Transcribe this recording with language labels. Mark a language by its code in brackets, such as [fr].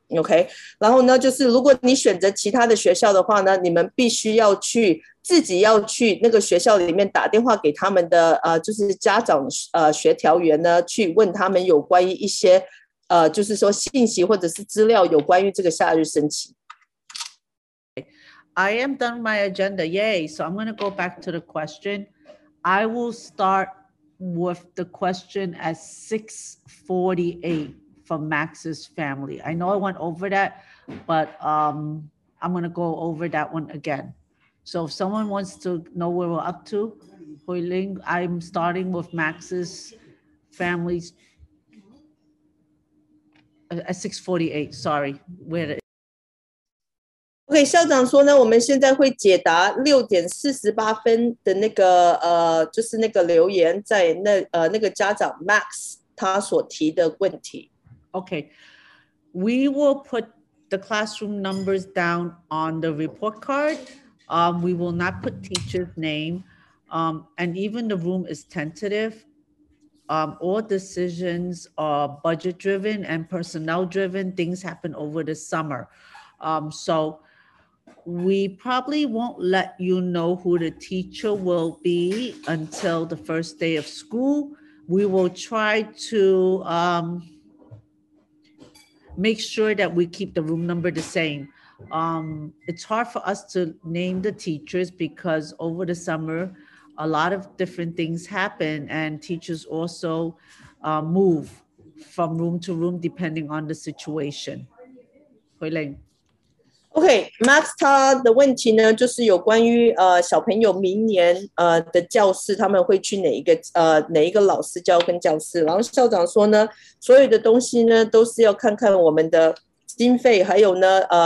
[zh] OK， 然后呢，就是如果你选择其他的学校的话呢，你们必须要去自己要去那个学校里面打电话给他们的就是家长协调员呢，去问他们有关于一些就是说信息或者是资料有关于这个夏日申请。 [en] I am done my agenda. Yay. So I'm going to go back to the question. I will start with the question at 6:48 from Max's family. I know I went over that, but I'm going to go over that one again. So if someone wants to know where we're up to, Hui Ling, I'm starting with Max's family's at 6:48. Sorry. Where is it? [zh] OK， 校长说呢，我们现在会解答6:48的那个就是那个留言，在那个家长 Max 他所提的问题。 [en] OK， we will put the classroom numbers down on the report card. We will not put teacher's name. And even the room is tentative. All decisions are budget driven and personnel driven. Things happen over the summer. So. We probably won't let you know who the teacher will be until the first day of school. We will try to make sure that we keep the room number the same. It's hard for us to name the teachers because over the summer, a lot of different things happen and teachers also move from room to room depending on the situation. Hui Ling. [zh] OK,Max、okay, 他的问题呢就是有关于小朋友明年的教室他们会去哪一个老师教跟教室，然后校长说呢，所有的东西呢都是要看看我们的经费还有呢